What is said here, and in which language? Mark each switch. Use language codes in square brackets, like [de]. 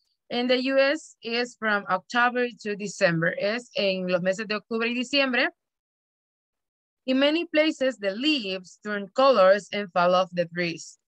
[en] And the US is from October to December. [es] Es en los meses de octubre y diciembre. [en] In many places, the leaves turn colors and fall off the trees.